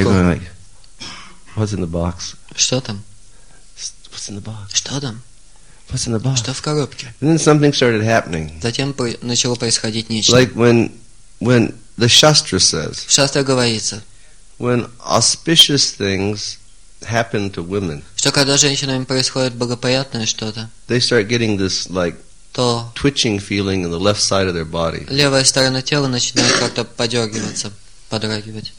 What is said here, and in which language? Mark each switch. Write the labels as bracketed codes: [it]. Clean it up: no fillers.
[en] They're going like, what's in the box? [ru] Что там? [en] What's in the box? [ru] Что там? [en] What's in the box? [ru] Что в коробке? [en] And then something started happening. [ru] Затем начало происходить нечто. [en] Like when the Shastra says. [ru] Шастра говорится. [en] When auspicious things happen to women. [ru] Что когда женщинам происходит благоприятное что-то. [en] They start getting this like twitching feeling in the left side of their body. [ru] Левая сторона тела начинает как-то подергиваться, подрагивать.